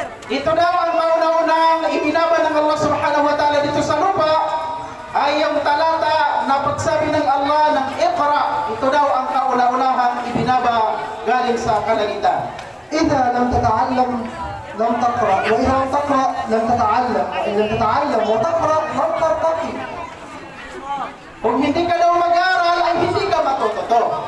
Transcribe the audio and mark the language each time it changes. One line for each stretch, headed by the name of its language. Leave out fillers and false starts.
Filipino: Ito daw ang mauna-unang ibinaba ng Allah Subhanahu wa Ta'ala dito sa lupa ay yung talata na pagsabi ng Allah ng iqra. Ito daw ang kauna-unahang ibinaba galing sa kalangitan.
Arabic: إذا لم تتعلم لم تقرأ وإذا لم تقرأ لم تتعلم وإن لم تتعلم وتقرأ لم ترتقي.
Filipino: Kung hindi ka daw mag-aral ay hindi ka matututo.